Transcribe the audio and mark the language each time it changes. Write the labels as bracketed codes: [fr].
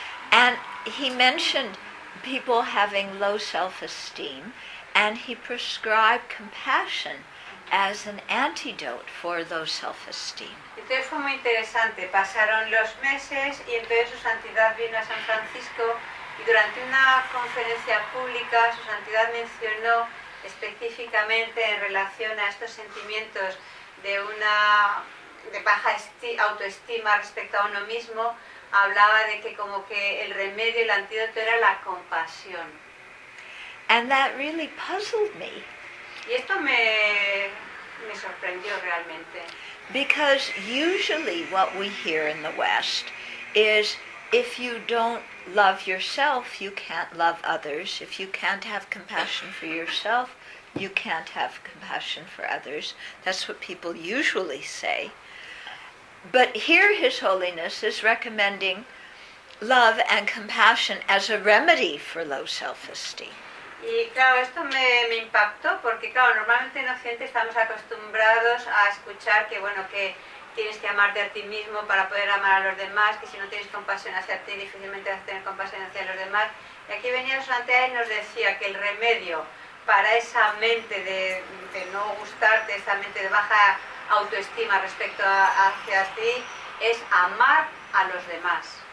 [en] And he mentioned people having low self-esteem and he prescribed compassion as an antidote for low self-esteem. [es] Entonces fue muy interesante. Pasaron los meses y entonces Su Santidad vino a San Francisco y durante una conferencia pública Su Santidad mencionó específicamente en relación a estos sentimientos de baja autoestima respecto a uno mismo, hablaba de que como que el remedio, el antídoto era la compasión. [en] And that really puzzled me. [es] Y esto me sorprendió realmente. [en] Because usually what we hear in the West is if you don't love yourself, you can't love others. If you can't have compassion for yourself, you can't have compassion for others. That's what people usually say. But here His Holiness is recommending love and compassion as a remedy for low self-esteem. [es] Y claro, esto me impactó porque claro, normalmente en Occidente estamos acostumbrados a escuchar que bueno, que tienes que amarte a ti mismo para poder amar a los demás, que si no tienes compasión hacia ti, difícilmente vas a tener compasión hacia los demás. Y aquí venía Santa y nos decía que el remedio para esa mente de no gustarte, esa mente de baja autoestima respecto a, hacia ti, es amar a los demás.